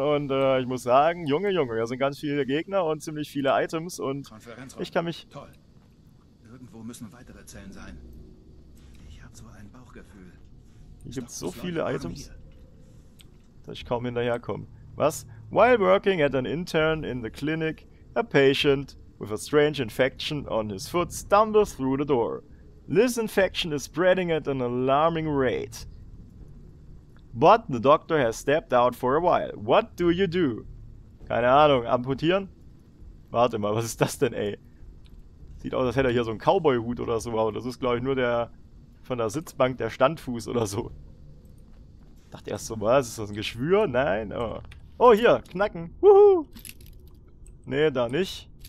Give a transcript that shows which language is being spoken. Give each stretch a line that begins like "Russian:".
German: Und ich muss sagen, Junge, Junge, wir sind ganz viele Gegner und ziemlich viele Items und ich kann mich... Toll. Irgendwo müssen weitere Zellen sein. Ich habe so ein Bauchgefühl. Hier gibt es so viele Items, dass ich kaum hinterherkomme. Was?
English: While working at an intern in the clinic, a patient with a strange infection on his foot stumbles through the door. This infection is spreading at an alarming rate. But the doctor has stepped out for a while. What do you do?
German: Keine Ahnung, amputieren? Warte mal, was ist das denn, ey? Sieht aus, als hätte er hier so einen Cowboy-Hut oder so, aber das ist, glaube ich, nur der von der Sitzbank der Standfuß oder so. Dachte erst so, was? Ist das ein Geschwür? Nein? Oh. Oh, hier, knacken. Wuhu. Nee, da nicht.